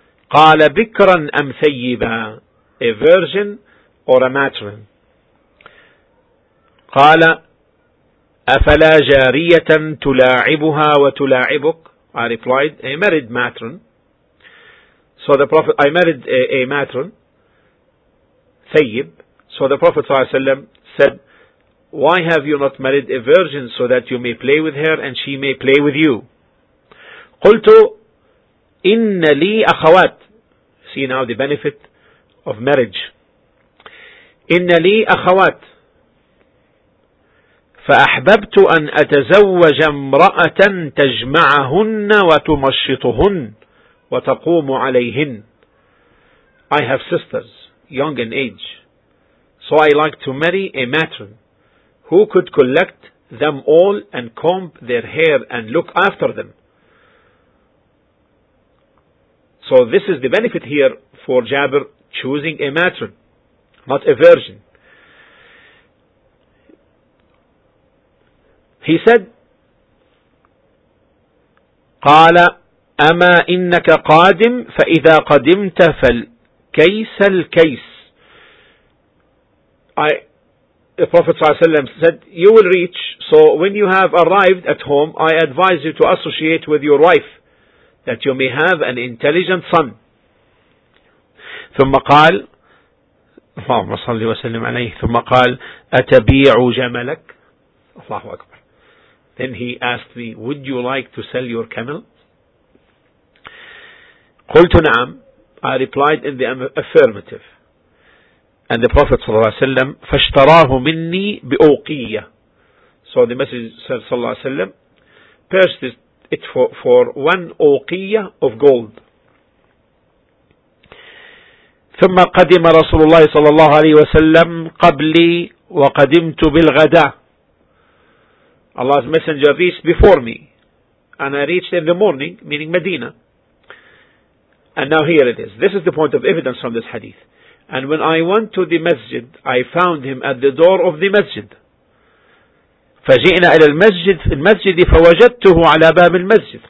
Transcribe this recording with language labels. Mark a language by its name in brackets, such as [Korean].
[Arabic] قال بكرا أم ثيبا, [English] a virgin or a matron? [Arabic] قال أفلا جارية تلاعبها وتلاعبك. [English] I replied, a married matron. So the Prophet, I married a matron, Thayyib. So the Prophet ﷺ said, why have you not married a virgin so that you may play with her and she may play with you? [Arabic] قلت إن لي أخوات. [English] See now the benefit of marriage. [Arabic] إن لي أخوات. فأحببت أن أتزوج امرأة تجمعهن وتمشطهن. وَتَقُومُ عَلَيْهِنْ. [English] I have sisters, young in age. So I like to marry a matron who could collect them all and comb their hair and look after them. So this is the benefit here for Jabir choosing a matron, not a virgin. He said, [Arabic] قَالَ أما إنك قادم فإذا قدمت فالكيس الكيس. [English] The Prophet صلى الله عليه وسلم said, you will reach, so when you have arrived at home, I advise you to associate with your wife, that you may have an intelligent son. [Arabic] ثم قال, اللهم صل وسلم عليه, ثم قال, أتبيع جملك؟ الله أكبر. [English] Then he asked me, would you like to sell your camel? [Arabic] قلت نعم. [English] I replied in the affirmative. And the Prophet [Arabic] صلى الله عليه وسلم فاشتراه مني بأوقية. [English] So the Messenger صلى الله عليه وسلم purchased it for one أوقية of gold. [Arabic] ثم قدم رسول الله صلى الله عليه وسلم قبلي وقدمت بالغداء. [English] Allah's Messenger reached before me, and I reached in the morning, meaning Medina. And now here it is. This is the point of evidence from this hadith. And when I went to the masjid, I found him at the door of the masjid. [Arabic] فجئنا إلى المسجد في المسجد فوجدته على باب المسجد.